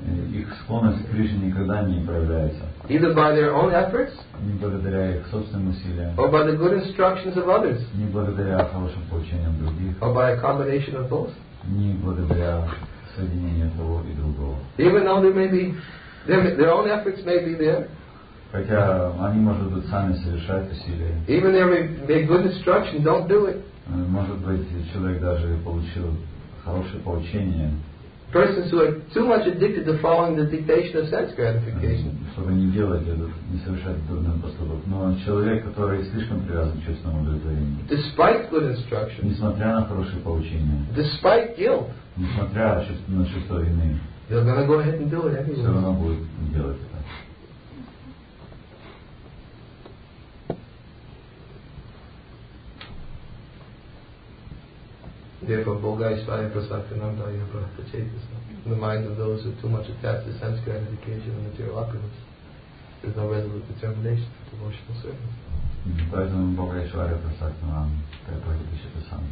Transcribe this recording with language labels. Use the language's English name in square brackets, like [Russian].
[Russian] Их склонность к Кришне никогда не проявляется. [English] Either by their own efforts, [Russian] не благодаря их собственным усилиям, [English] or by the good instructions of others, [Russian] не благодаря хорошим поучениям других, [English] or by a combination of both, [Russian] не благодаря соединению того и другого. [English] Even though they may be, their own efforts may be there, [Russian] хотя они, может быть, сами совершают усилия. [English] Even their good instructions don't do it. [Russian] Может быть, человек даже получил хорошее поучение. [English] Persons who are too much addicted to following the dictation of sense gratification. [Russian] Чтобы не делать это, не совершать дурных поступков. Но человек, который слишком привязан к чувственному удовлетворению. [English] Despite good instruction. [Russian] Несмотря на хорошее поучение. [English] Despite guilt. [Russian] Несмотря на чувство вины. [English] They're gonna go ahead and do it anyway. [Russian] Все равно будет делать это. [Sanskrit] Therefore, Bogai Svaya Prasakananda Yabrahachetasa. [English] In the mind of those who are too much attached to sense gratification and material opulence, there is no resolute determination for devotional service. [Sanskrit] Поэтому Бога Ишвария Прасактанам Прабхатичата Сам.